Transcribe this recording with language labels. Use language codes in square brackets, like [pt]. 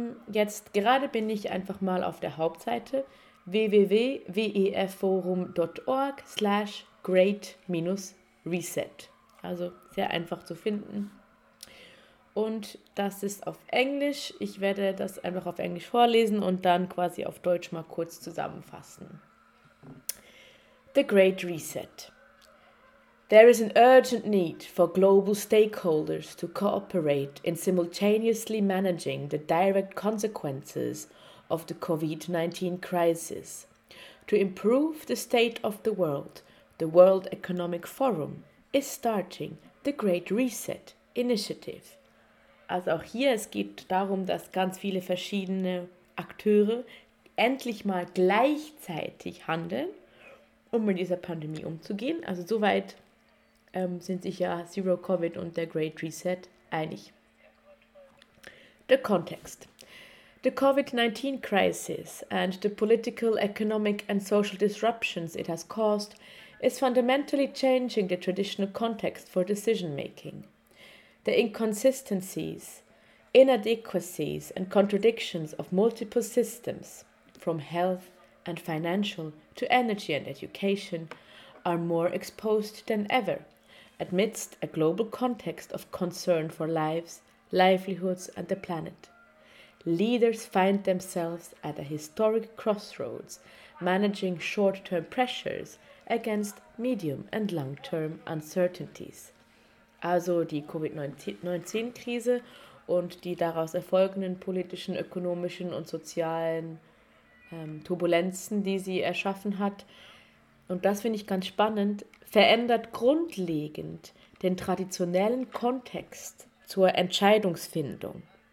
[de] Jetzt gerade bin ich einfach mal auf der Hauptseite www.wefforum.org/great-reset. Also sehr einfach zu finden. Und das ist auf Englisch. Ich werde das einfach auf Englisch vorlesen und dann quasi auf Deutsch mal kurz zusammenfassen. [en] The Great Reset. There is an urgent need for global stakeholders to cooperate in simultaneously managing the direct consequences of the COVID-19 crisis. To improve the state of the World Economic Forum is starting the Great Reset Initiative. [de] Also auch hier, es geht darum, dass ganz viele verschiedene Akteure endlich mal gleichzeitig handeln, um mit dieser Pandemie umzugehen. Also soweit sind sich ja Zero Covid und der Great Reset einig. [en] The context. The COVID-19 crisis and the political, economic and social disruptions it has caused is fundamentally changing the traditional context for decision making. The inconsistencies, inadequacies and contradictions of multiple systems, from health and financial to energy and education, are more exposed than ever amidst a global context of concern for lives, livelihoods and the planet. Leaders find themselves at a historic crossroads, managing short-term pressures against medium- and long-term uncertainties. [de] Also die COVID-19-Krise und die daraus erfolgenden politischen, ökonomischen und sozialen Turbulenzen, die sie erschaffen hat. Und das finde ich ganz spannend, verändert grundlegend den traditionellen Kontext zur Entscheidungsfindung.